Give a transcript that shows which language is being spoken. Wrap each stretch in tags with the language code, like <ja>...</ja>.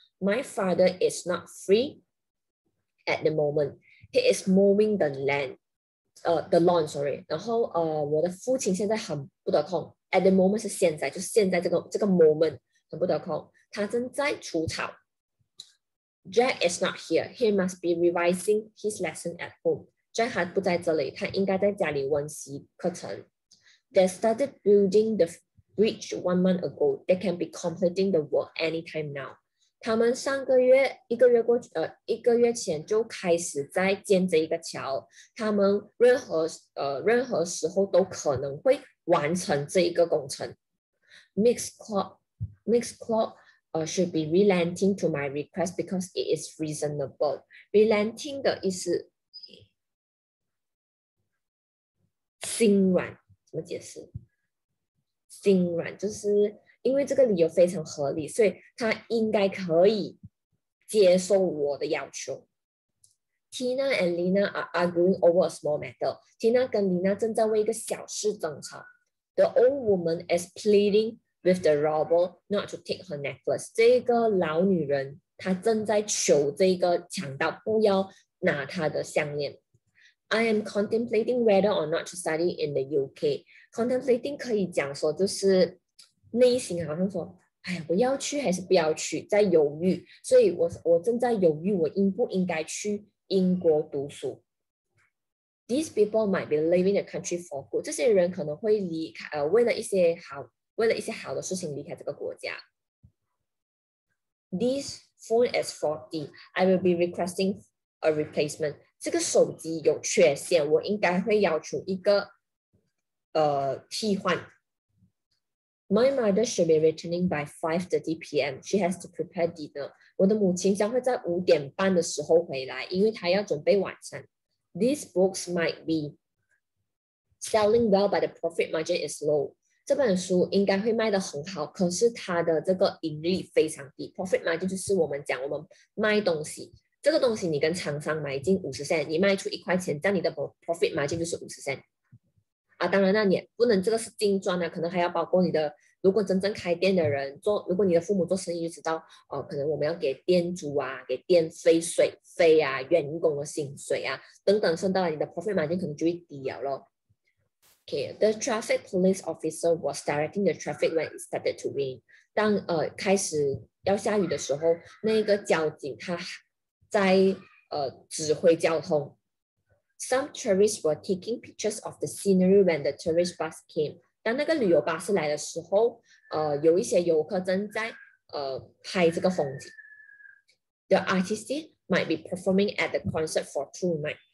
<en>My father is not free at the moment. He is mowing the lawn, sorry.</en> <zh>然后我的父亲现在很不得空。 At the moment 是现在，就是现在这个 moment 很不得空。他正在除草。</zh> <en>Jack is not here. He must be revising his lesson at home. Jack</en> <zh>还不在这里，他应该在家里温习课程。</zh> <en>They started building the bridge 1 month ago. They can be completing the work anytime now.</en> <zh>他们上个月一个月前就开始在建这一个桥，他们任何时候都可能会完成这一个工程。</zh> <en>Mixed clock should be relenting to my request because it is reasonable.</en> <zh>Relenting 的意思，心软，怎么解释？心软就是。因为这个理由非常合理，所以他应该可以接受我的要求。</zh> <en>Tina and Lina are arguing over a small matter.</en> <zh>Tina 跟 Lina 正在为一个小事争吵。</zh> <en>The old woman is pleading with the robber not to take her necklace.</en> <zh>这个老女人她正在求这个强盗不要拿她的项链。</zh> <en>I am contemplating whether or not to study in the UK.</en> <zh>Contemplating 可以讲说就是。内心好像说：“哎呀，我要去还是不要去，在犹豫。所以我正在犹豫，我应不应该去英国读书？”</zh> <en>These people might be leaving the country for good。</en> <zh>这些人可能会离开，为了一些好的事情离开这个国家。</zh> <en>This phone is faulty. I will be requesting a replacement。</en> <zh>这个手机有缺陷，我应该会要求一个替换。</zh> <en>My mother should be returning by 5:30 p.m. She has to prepare dinner.</en> <zh>我的母亲将会在5:30的时候回来，因为她要准备晚餐。</zh> <en>These books might be selling well, but the profit margin is low.</en> <zh>这本书应该会卖得很好，可是它的这个盈利非常低。 Profit margin 就是我们讲我们卖东西，这个东西你跟厂商买进50 cent，你卖出1块钱，这样你的 profit margin 就是50 cent。啊，当然那你不能这个是净赚的，可能还要包括你的。如果真正开店的人做，如果你的父母做生意就知道，可能我们要给店主啊，给电费、水费啊，员工的薪水啊等等，算到了你的 profit margin 可能就会低了咯。</zh> <en>Okay，the traffic police officer was directing the traffic when it started to rain。</en> <zh>当开始要下雨的时候，那个交警他在指挥交通。</zh> <en>Some tourists were taking pictures of the scenery when the tourist bus came。</en> <zh>当那个旅游巴士来的时候，有一些游客正在拍这个风景。</zh> <en>The artist might be performing at the concert for 2 nights。</en>